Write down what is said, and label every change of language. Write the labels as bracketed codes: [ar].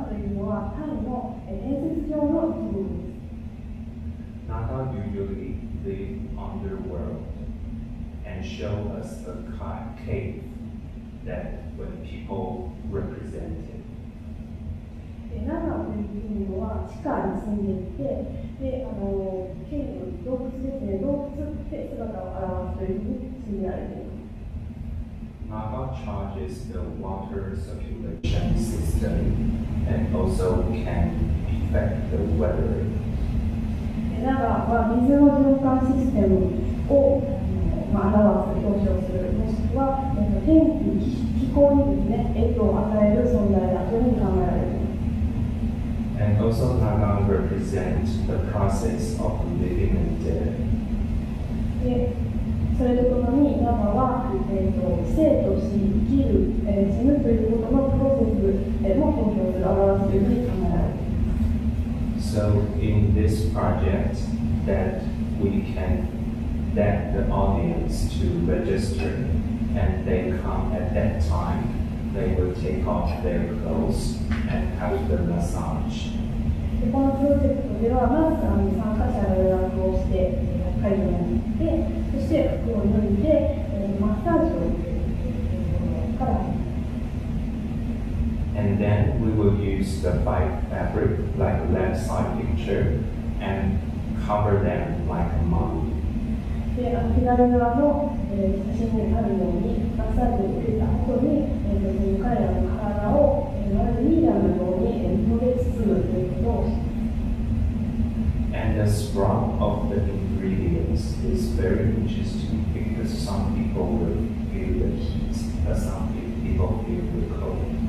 [ja] ナガというのは、タイの伝説上の生き物です。 [en] ナガ usually live underworld and show us a cave that when people represent it. [ja] ナガというのは地下に住んでいて、で、ケイブ、洞窟ですね、洞窟で姿を現すというふうに住んでいる。 [en] ナガ charges the water circulation system and also can affect the weather. [ja] ナガは水の循環システムを、まあ、表す、表彰する、もしくは天気、気候にですね、影響を与える存在だというふうに考えられています。 [en] And also Naga represents the process of living and death. [ja] それとともに、ナガは、生と死、生きる、死ぬということのプロセスも公表する、表すというふうに考えられています。 [en] So in this project that we can let the audience to register and they come at that time, they will take off their clothes and have the massage. [ja] このプロジェクトでは、まず参加者が予約をして、会議に行って、そして服を脱いで、マッサージを受けるから。 [en] And then we will use the white fabric, like a left side picture, and cover them like a mummy. [ja] で、左側の、写真にあるように、マッサージを受けた後に、その彼らの体を、まるでミイラのように、布で包むということを。 [en] And the scrub of the ingredients is very interesting because some people will feel the heat, but some people feel the cold.